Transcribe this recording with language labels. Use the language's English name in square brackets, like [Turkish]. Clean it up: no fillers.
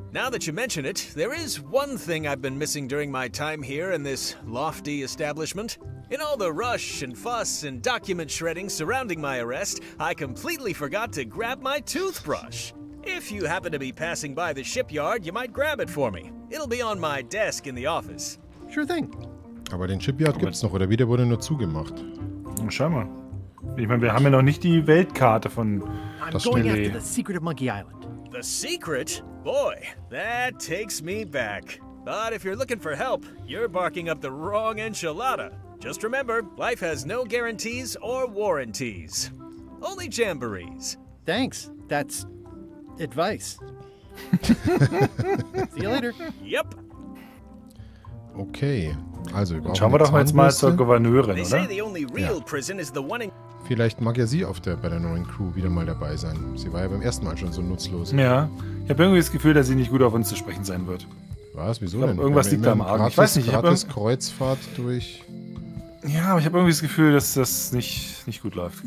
[English] Now that you mention it, there is one thing I've been missing during my time here in this lofty establishment. In all the rush and fuss and document shredding surrounding my arrest, I completely forgot to grab my toothbrush. If you happen to be passing by the shipyard, you might grab it for me. It'll be on my desk in the office. Sure thing. [German] Aber den Shipyard gibt's noch, oder wieder wurde nur zugemacht? Schau mal. Ich meine, wir haben ja noch nicht die Weltkarte von... [English] I'm going after the secret of Monkey Island. The secret? Boy, that takes me back. But if you're looking for help, you're barking up the wrong enchilada. Just remember, life has no guarantees or warranties. Only jamborees. Thanks. That's advice. See you later. Yep. [German] Okay. Also, wir schauen wir doch jetzt mal zur Gouverneurin, [English] they [German] oder? [English] Say the only real prison is the one in- [German] Vielleicht mag ja sie auf der, bei der neuen Crew wieder mal dabei sein. Sie war ja beim ersten Mal schon so nutzlos. Ja. Ich habe irgendwie das Gefühl, dass sie nicht gut auf uns zu sprechen sein wird. Was? Wieso denn? Irgendwas liegt da im Argen. Ich weiß nicht. Ich habe gratis Kreuzfahrt durch... Ja, aber ich habe irgendwie das Gefühl, dass das nicht gut läuft.